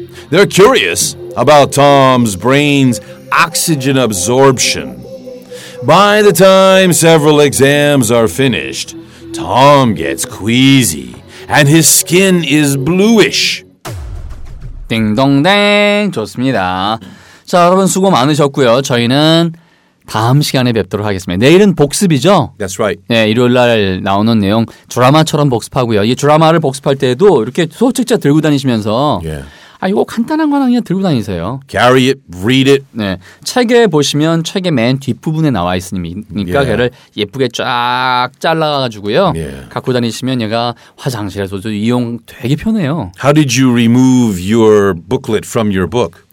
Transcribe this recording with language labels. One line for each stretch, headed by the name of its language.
English: They're curious about Tom's brain's oxygen absorption. By the time several exams are finished, Tom gets queasy and his skin is bluish.
Korean: 딩동댕 좋습니다. 자, 여러분 수고 많으셨고요. 저희는 다음 시간에 뵙도록 하겠습니다. 내일은 복습이죠?
English: That's right.
Korean: 네, 일요일 날 나오는 내용 드라마처럼 복습하고요. 이 드라마를 복습할 때에도 이렇게 수업책자 들고 다니시면서
English: yeah.
Korean: 아, 이거 간단한 거 하나 그냥 들고 다니세요.
English: Carry it, read it.
Korean: 네. 책에 보시면 책의 맨 뒷부분에 나와 있으니까
English: yeah.
Korean: 걔를 예쁘게 쫙 잘라가지고요.
English: Yeah.
Korean: 갖고 다니시면 얘가 화장실에서도 이용 되게 편해요.
English: How did you remove your booklet from your book?